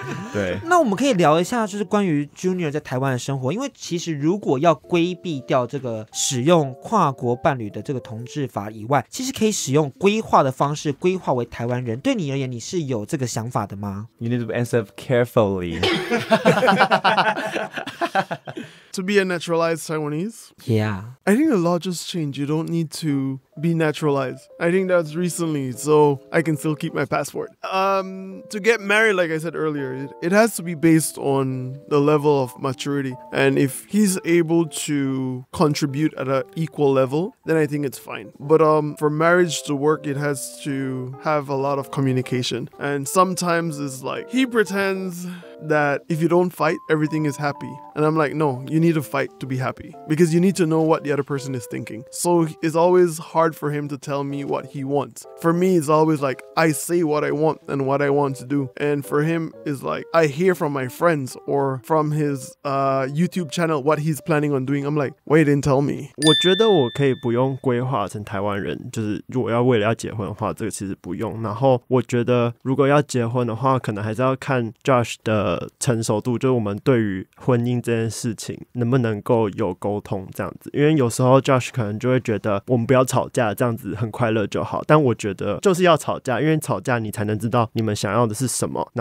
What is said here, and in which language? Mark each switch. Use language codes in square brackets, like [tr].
[zh] 对，那我们可以聊一下就是关于 Junior 在台湾的生活，因为其实如果要规避掉这个使用跨国伴侣的这个同志法以外，其实可以使用规划的方式规划为台湾人，对你而言你是有这个想法的吗？ [en] You need to answer carefully. To be a naturalized Taiwanese? Yeah. I think the law just changed. You don't need to be naturalized. I think that's recently, so I can still keep my passport. To get married, like I said earlier, it has to be based on the level of maturity. And if he's able to contribute at an equal level, then I think it's fine. But for marriage to work, it has to have a lot of communication. And sometimes it's like, he pretends that if you don't fight, everything is happy. And I'm like, no, you need to fight to be happy because you need to know what the other person is thinking. So it's always hard for him to tell me what he wants. For me, it's always like, I say what I want and what I want to do. And for him, it's like, I hear from my friends or from his YouTube channel what he's planning on doing. I'm like, why you didn't tell me? [zh] 我觉得我可以不用规划成台湾人，就是如果要为了要结婚的话，这个其实不用。然后我觉得如果要结婚的话，可能还是要看 Josh 的成熟度，就是我们对于婚姻这件事情能不能够有沟通这样子。因为有时候 Josh 可能就会觉得我们不要吵架，这样子很快乐就好，但我觉得就是要吵架，因为吵架你才能知道你们想要的是什么。